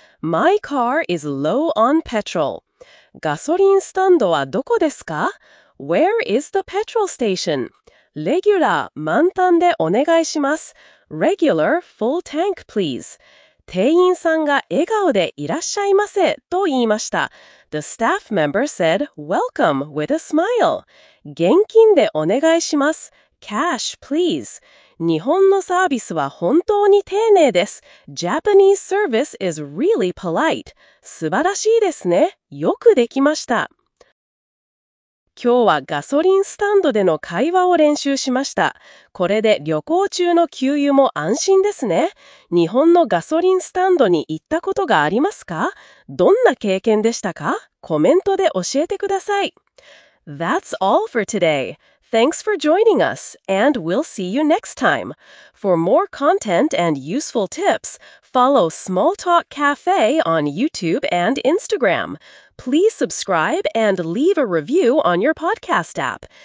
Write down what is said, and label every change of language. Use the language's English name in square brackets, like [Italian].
[English] My car is low on petrol. [Japanese] ガソリンスタンドはどこですか? [English] Where is the petrol station? [Japanese] レギュラー満タンでお願いします。 [English] Regular full tank, please. [Japanese] 店員さんが笑顔でいらっしゃいませと言いました。 [English] The staff member said, welcome with a smile. [Japanese] 現金でお願いします。 [English] Cash, please. [Japanese] 日本のサービスは本当に丁寧です。 [English] Japanese service is really polite. [Japanese] 素晴らしいですね。よくできました。今日はガソリンスタンドでの会話を練習しました。これで旅行中の給油も安心ですね。日本のガソリンスタンドに行ったことがありますか? どんな経験でしたか?コメントで教えてください。 [English] That's all for today. Thanks for joining us, and we'll see you next time. For more content and useful tips, follow Small Talk Cafe on YouTube and Instagram. Please subscribe and leave a review on your podcast app.